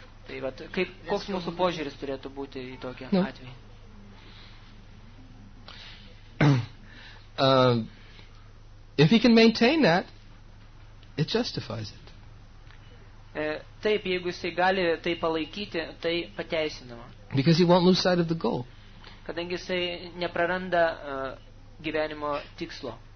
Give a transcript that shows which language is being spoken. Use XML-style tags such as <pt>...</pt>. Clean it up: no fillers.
<lt>Tai vat, kaip, koks mūsų požiūris turėtų būti į tokį atvejį?</lt> <en>If he can maintain that, it justifies it.</en> <lt>Taip, jeigu jisai gali tai palaikyti, tai pateisinama.</lt> <en>Because he won't lose sight of the goal.</en> <lt>Kadangi jisai nepraranda gyvenimo tikslo.</lt>